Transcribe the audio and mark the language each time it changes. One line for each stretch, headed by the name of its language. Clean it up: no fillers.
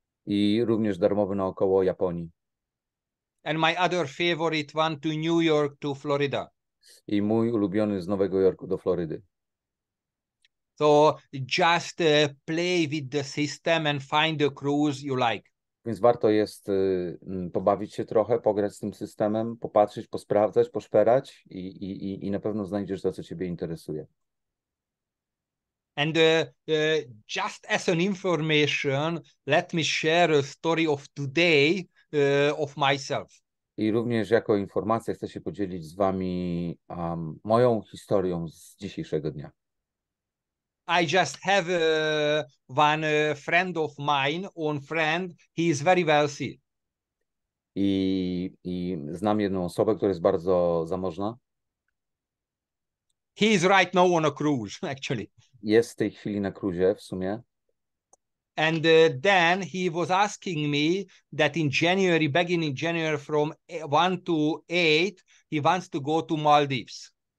Polish: I również darmowy naokoło Japonii.
English: And my other favorite one to New York to Florida.
Polish: I mój ulubiony z Nowego Jorku do Florydy.
English: So just play with the system and find the cruise you like.
Polish: Więc warto jest pobawić się trochę, pograć z tym systemem, popatrzeć, posprawdzać, poszperać i na pewno znajdziesz to, co ciebie interesuje.
English: And just as an information, let me share a story of today of myself.
Polish: I również jako informacja chcę się podzielić z wami moją historią z dzisiejszego dnia.
English: I just have one friend of mine, one friend, he is very wealthy.
Polish: I znam jedną osobę, która jest bardzo zamożna.
English: He is right now on a cruise, actually.
Polish: Jest w tej chwili na kruzie w sumie.
English: And then he was asking me that in January, beginning January from 1 to 8, he wants to go to Maldives.